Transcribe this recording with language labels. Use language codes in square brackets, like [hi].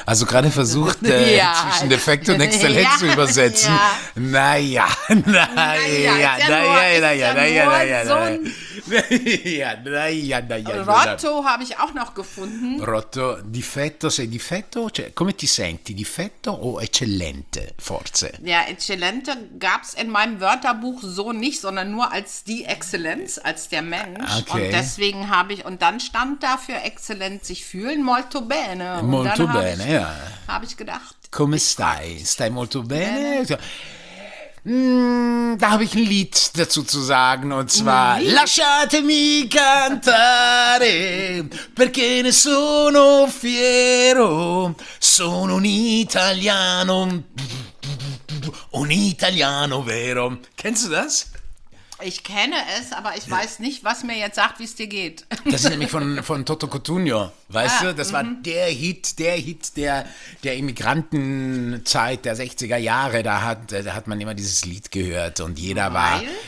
[it] A giocare [de] versucht, zwischen defekto und excellenz zu übersetzen. Rotto habe ich auch noch gefunden. [it] Rotto, difetto, sei difetto? Cioè, come ti senti? Difetto o eccellente, forse? [de] Ja, eccellente gab es in meinem Wörterbuch so nicht, sondern nur als die Exzellenz, als der Mensch. Okay. Und deswegen habe ich, und dann stand da für exzellent sich fühlen, [it] molto bene. Molto [de] und dann [it] bene, [de] hab ich, ja. Habe ich gedacht. [it] Come stai? Stai molto bene? [de] Da habe ich ein Lied dazu zu sagen, und zwar Lied? [it] Lasciatemi cantare, perché ne sono fiero, sono un italiano vero. [de] Kennst du das? Ich kenne es, aber ich weiß nicht, was mir jetzt sagt, wie es dir geht. Das ist nämlich von Toto Cutugno, weißt du? Das war der Hit der Immigrantenzeit der 60er Jahre. Da hat man immer dieses Lied gehört und jeder war...